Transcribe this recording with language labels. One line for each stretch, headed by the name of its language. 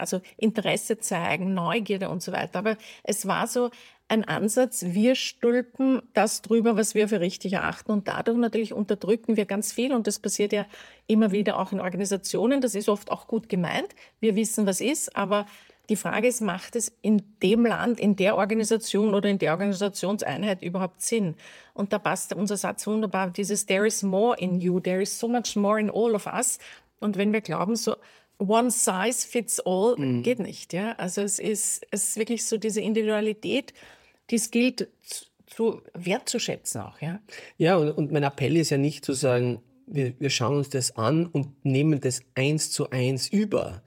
German: Also Interesse zeigen, Neugierde und so weiter. Aber es war so ein Ansatz, wir stülpen das drüber, was wir für richtig erachten. Und dadurch natürlich unterdrücken wir ganz viel. Und das passiert ja immer wieder auch in Organisationen. Das ist oft auch gut gemeint. Wir wissen, was ist, aber Die Frage ist, macht es in dem Land, in der Organisation oder in der Organisationseinheit überhaupt Sinn? Und da passt unser Satz wunderbar, dieses
English: there is more in you, there is so much more in all of us.
German: Und wenn wir glauben, so
English: one size fits all,
German: geht nicht. Ja? Also es ist wirklich so diese Individualität, die es gilt zu wertzuschätzen auch. Ja, ja, und mein Appell ist ja nicht zu sagen, wir schauen uns das an und nehmen das eins zu eins über.